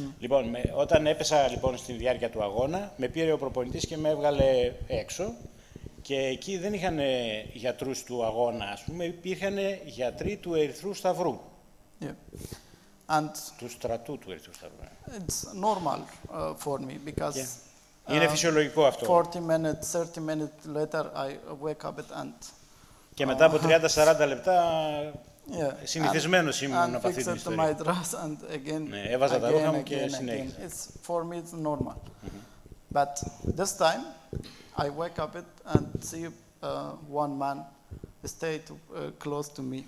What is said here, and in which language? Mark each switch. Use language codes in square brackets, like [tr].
[el] Λοιπόν, όταν έπεσα λοιπόν στη διάρκεια του αγώνα, με πήρε ο προπονητής και με έβγαλε έξω. Και εκεί δεν είχαν γιατρούς του αγώνα, ας πούμε, υπήρχαν γιατροί του Ερυθρού Σταυρού. [en] Yeah. And [el] του στρατού του Ερυθρού Σταυρού. [en] It's normal for me because [el] είναι φυσιολογικό αυτό. [en] 40 minutes, 30 minutes later I wake up and [el] και μετά από 30-40 λεπτά συνηθισμένος ήμουν να παθήσω την ιστορία. [en] My dress and again, [el] ναι, έβαζα [en] again, [el] τα ρούχα μου και συνέχισα. [en] It's for me it's normal. Mm-hmm. But this time I wake up it and see one man stay to, close to me.